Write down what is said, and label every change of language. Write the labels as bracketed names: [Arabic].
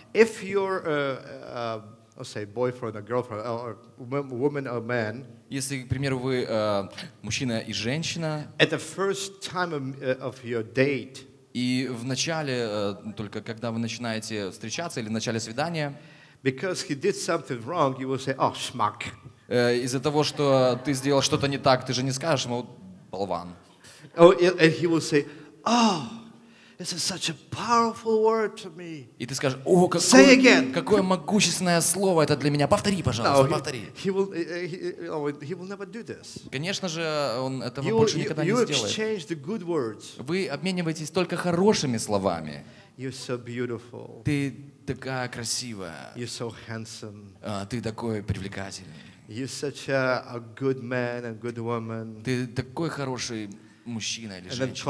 [English] If you're, let's say, boyfriend or girlfriend, or woman or man. [Russian] Если, к примеру, вы мужчина и женщина. [English] At the first time of your date. [Russian] И в начале только когда вы начинаете встречаться или в начале свидания. [English] Because he did something wrong, you will say, oh, schmuck. [Russian] Из-за того, что ты сделал что-то не так, ты же не скажешь ему, болван. [English] Oh, and he will say, oh. This is such a powerful word to me. [Russian] И ты скажешь, о, какое могущественное слово это для меня. Повтори, пожалуйста, повтори. [English] He will never do this. [Russian] Конечно же, он этого больше никогда не сделает. [English] You exchange the good words. [Russian] Вы обмениваетесь только хорошими словами. [English] You're so beautiful. [Russian] Ты такая красивая. [English] You're so handsome. [Russian] Ты такой привлекательный. [English] You're such a good man and good woman. [Russian] Ты такой хороший мужчина или женщина.